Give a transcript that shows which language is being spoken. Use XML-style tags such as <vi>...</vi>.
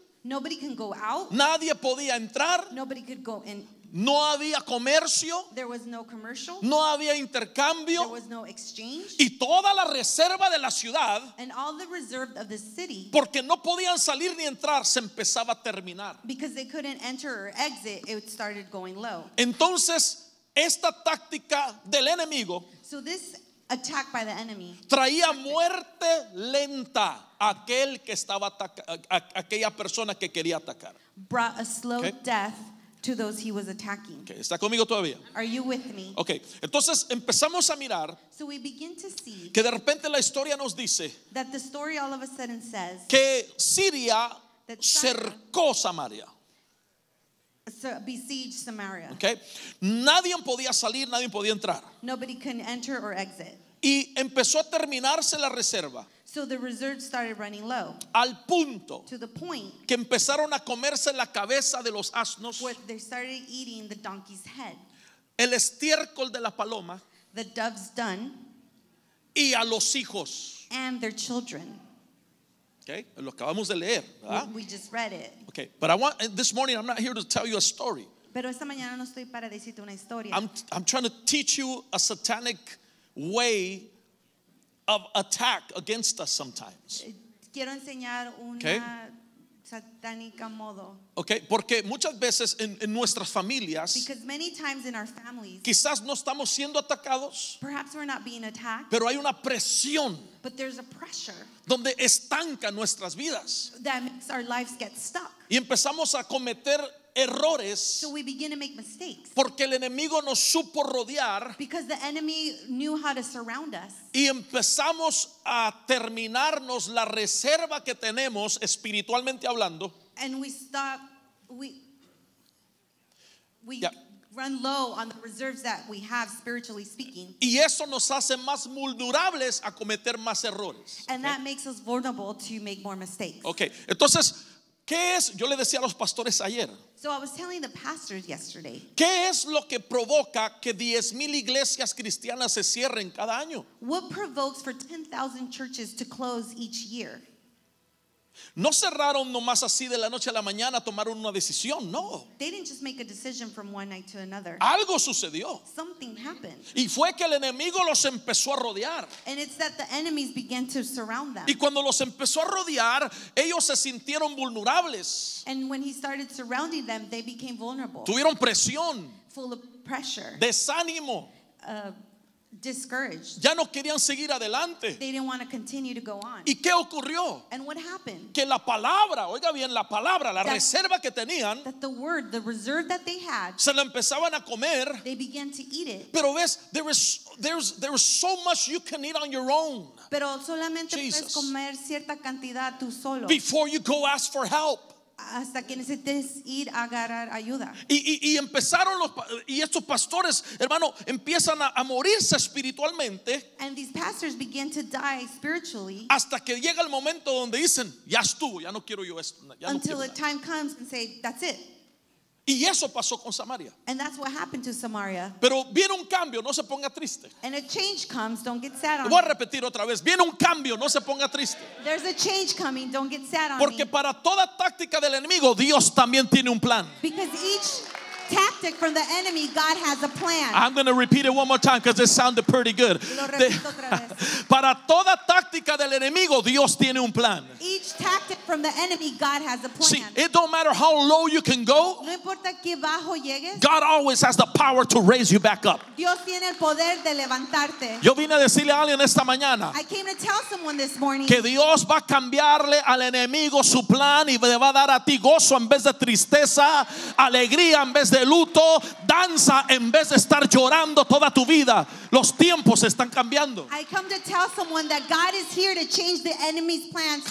<en>Nobody can go out.</en> <es>Nadie podía entrar.</es> <en>Nobody could go in.</en> <es>No había comercio.</es> <en>There was no commercial.</en> <es>No había intercambio.</es> <en>There was no exchange.</en> <es>Y toda la reserva de la ciudad,</es> <en>and all the reserve of the city,</en> <es>porque no podían salir ni entrar, se empezaba a terminar.</es> <en>Because they couldn't enter or exit, it started going low.</en> <es>Entonces, esta táctica del enemigo,</es> <en>so this attack by the enemy,</en> <es>traía muerte lenta a aquel que estaba aquella persona que quería atacar.</es> <en>Brought a slow death to those he was attacking.</en> <es>Okay, ¿está conmigo todavía?</es> <en>Are you with me?</en> <es>Okay. Entonces empezamos a mirar,</es> <en>so we begin to see,</en> <es>que de repente la historia nos dice</es> <en>that the story all of a sudden says</en> <es>que Siria cercó Samaria.</es> <en>So besieged Samaria.</en> <es>Okay. Nadie podía salir, nadie podía entrar.</es> <en>Nobody can enter or exit.</en> <es>Y empezó a terminarse la reserva.</es> <en>So the reserve started running low.</en> <es>Al punto,</es> <en>to the point,</en> <es>que empezaron a comerse la cabeza de los asnos.</es> <en>Where they started eating the donkey's head.</en> <es>El estiércol de la paloma.</es> <en>The dove's dung.</en> <es>Y a los hijos.</es> <en>And their children.</en> <es>Okay, lo acabamos de leer, ¿verdad?</es> <en>We just read it. Okay, but I want this morning I'm not here to tell you a story.</en> <es>Pero esta mañana no estoy para decirte una historia.</es> <en>I'm trying to teach you a satanic way of attack against us sometimes.</en> <es>Quiero enseñar una satánica modo. Okay, porque muchas veces en nuestras familias,</es> <en>because many times in our families,</en> <es>quizás no estamos siendo atacados,</es> <en>perhaps we're not being attacked,</en> <es>pero hay una presión,</es> <en>but there's a pressure,</en> <es>donde estanca nuestras vidas,</es> <en>that makes our lives get stuck,</en> <es>y empezamos a cometer errores,</es> <en>so we begin to make mistakes,</en> <es>porque el enemigo nos supo rodear,</es> <en>because the enemy knew how to surround us,</en> <es>y empezamos a terminarnos la reserva que tenemos espiritualmente hablando,</es> <en>and we stop, we yeah, run low on the reserves that we have spiritually speaking,</en> <es>y eso nos hace más vulnerables a cometer más errores,</es> <en>and that makes us vulnerable to make more mistakes.</en> <es>Okay, entonces, ¿qué es? Yo le decía a los pastores ayer.</es> <en>So I was telling the pastors yesterday.</en> <es>¿Qué es lo que provoca que 10,000 iglesias cristianas se cierren cada año?</es> <en>What provokes for 10,000 churches to close each year?</en> <es>No cerraron nomás así de la noche a la mañana, tomaron una decisión, no.</es> <en>They didn't just make a decision from one night to another.</en> <es>Algo sucedió.</es> <en>Something happened.</en> <es>Y fue que el enemigo los empezó a rodear.</es> <en>And it's that the enemies began to surround them.</en> <es>Y cuando los empezó a rodear, ellos se sintieron vulnerables.</es> <en>And when he started surrounding them, they became vulnerable.</en> <es>Tuvieron presión.</es> <en>Full of pressure.</en> <es>Desánimo.</es> <en>discouraged.</en> <es>Ya no querían seguir adelante.</es> <en>They didn't want to continue to go on.</en> <es>¿Y qué ocurrió?</es> <en>And what happened?</en> <es>Que la palabra, oiga bien, la palabra, la reserva que tenían,</es> <en>that the word, the reserve that they had,</en> <es>se la empezaban a comer.</es> <en>They began to eat it.</en> <es>Pero ves,</es> <en>there's so much you can eat on your own.</en> <es>Pero solamente puedes comer cierta cantidad tú solo.</es> <en>Before you go ask for help.</en> <es>Hasta que necesites ir a agarrar ayuda. Y empezaron los, y estos pastores, hermano, empiezan a morirse espiritualmente.</es> <en>And these pastors begin to die spiritually.</en> <es>Hasta que llega el momento donde dicen, ya estuvo, ya no quiero yo esto. Ya</es> <en>until</en> <es>no</es> <en>the time comes and say, that's it.</en> <es>Y eso pasó con Samaria.</es> <en>And that's what happened to Samaria.</en> <es>Pero viene un cambio, no se ponga triste.</es> <en>And a change comes, don't get sad on me.</en> <es>Voy a repetir otra vez, viene un cambio, no se ponga triste.</es> <en>There's a change coming, don't get sad on</en> <es>porque</es> <en>me.</en> <es>Porque para toda táctica del enemigo, Dios también tiene un plan.</es> <en>Because each tactic from the enemy, God has a plan. I'm going to repeat it one more time because it sounded pretty good.</en> <es>Lo repito otra vez. Para toda táctica del enemigo, Dios tiene un plan.</es> <en>Each tactic from the enemy, God has a plan. See, it don't matter how low you can go.</en> <es>No importa qué bajo llegues.</es> <en>God always has the power to raise you back up.</en> <es>Dios tiene el poder de levantarte. Yo vine a decirle a alguien esta mañana.</es> <en>I came to tell someone this morning.</en> <es>Que Dios va a cambiarle al enemigo su plan y le va a dar a ti gozo en vez de tristeza, alegría en vez de luto, danza en vez de estar llorando toda tu vida. Los tiempos están cambiando.</es> <en>I come to tell someone that God is here to change the enemy's plans.</en>